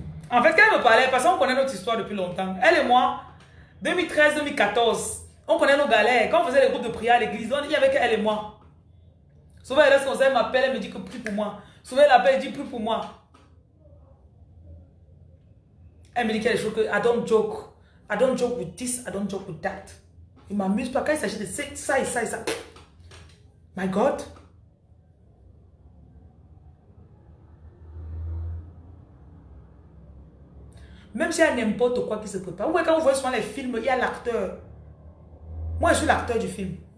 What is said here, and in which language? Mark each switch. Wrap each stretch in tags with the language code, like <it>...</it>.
<fr>En fait, quand elle me parlait, parce qu'on connaît notre histoire depuis longtemps, elle et moi, 2013-2014, on connaît nos galères. Quand on faisait les groupes de prière à l'église, il n'y avait qu'elle et moi. Souvent, elle responsable m'appelle, elle me dit que prie pour moi. Souvent, elle appelle, elle dit prie pour moi. Elle me dit quelque chose que</fr> <en>I don't joke. I don't joke with this, I don't joke with that.</en> <fr>Il m'amuse pas quand il s'agit de ça et ça et ça, ça.</fr> <en>My God.</en> <fr>Même s'il y a n'importe quoi qui se prépare. Vous voyez, quand vous voyez souvent les films, il y a l'acteur. Moi, je suis l'acteur du film.</fr>